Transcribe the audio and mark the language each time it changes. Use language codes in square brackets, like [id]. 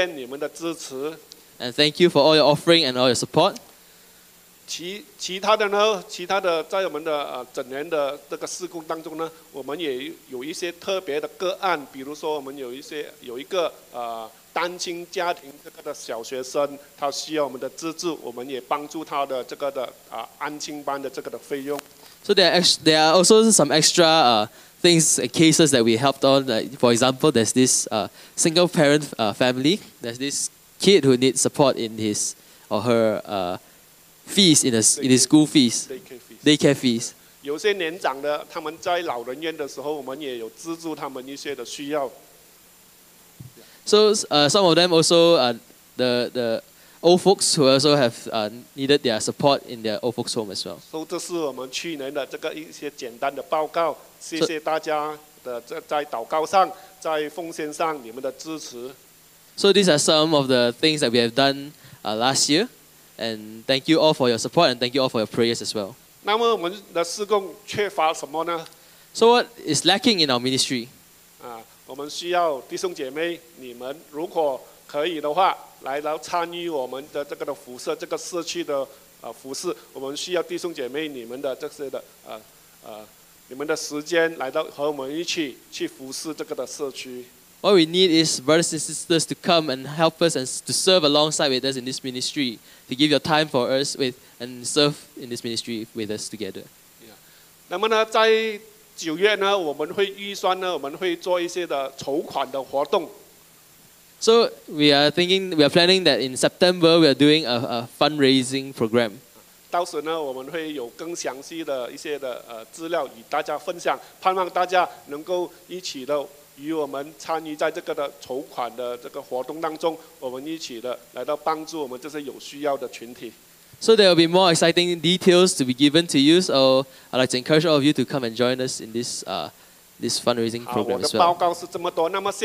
[en] And thank you for all your offering and all your support. [zh] 其他的在我们的整年的这个施工当中呢，我们也有一些特别的个案，比如说我们有一个单亲家庭这个的小学生，他需要我们的资助，我们也帮助他的这个的安亲班的这个的费用。 [en] So there are also some extra things cases that we helped on. Like for example, there's this single parent family. There's this kid who needs support in his or her fees in his school fees, daycare fees. [zh] 有些年长的，他们在老人院的时候，我们也有资助他们一些的需要。 [en] So, some of them also, the old folks who also have needed their support in their old folks home as well. [zh] So, 这是我们去年的这个一些简单的报告。谢谢大家的在祷告上，在奉献上你们的支持。 [en] So, these are some of the things that we have done last year. And thank you all for your support and thank you all for your prayers as well. [zh] 那么我们的事工缺乏什么呢? [en] So what is lacking in our ministry? [zh] 我们需要弟兄姐妹，你们如果可以的话，来参与我们的这个的服事，这个社区的服事。我们需要弟兄姐妹，你们的这些的你们的时间来到和我们一起去服事这个的社区。 [en] What we need is brothers and sisters to come and help us and to serve alongside with us in this ministry, to give your time for us with and serve in this ministry with us together. Yeah. [zh] 9月呢，我们会预算呢，我们会做一些的筹款的活动。 [en] So we are thinking, we are planning that in September we are doing a fundraising program. [zh] 到时呢，我们会有更详细的一些的资料与大家分享，盼望大家能够一起的与我们参与在这个的筹款的这个活动当中，我们一起的来到帮助我们这些有需要的群体。 [en] So there will be more exciting details to be given to you. So I'd like to encourage all of you to come and join us in this this fundraising program as well.